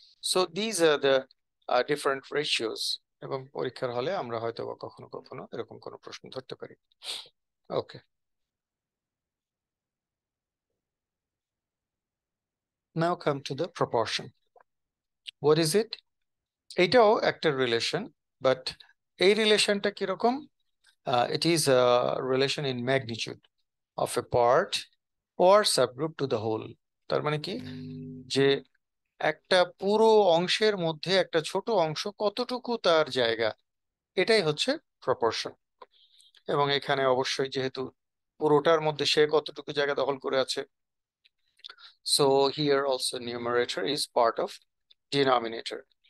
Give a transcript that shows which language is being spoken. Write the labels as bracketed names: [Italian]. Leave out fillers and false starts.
[English] so these are the different ratios, [Bangla] এবং পরীক্ষার হলে আমরা হয়তো বা কখনো কখনো এরকম কোনো প্রশ্ন ধরতে পারি। [English] Okay, now come to the proportion, what is it? [Bangla] এইটাও একটা রিলেশন, বাট এই রিলেশনটা কিরকম? [English] It is a relation in magnitude of a part or subgroup to the whole. [Bangla] তার মানে কি যে একটা পুরো অংশের মধ্যে একটা ছোট অংশ কতটুকু তার জায়গা, এটাই হচ্ছে প্রপোর্শন। এবং এখানে অবশ্যই যেহেতু পুরোটার মধ্যে সে কতটুকু জায়গা দখল করে আছে, [English] So here also numerator is part of denominator.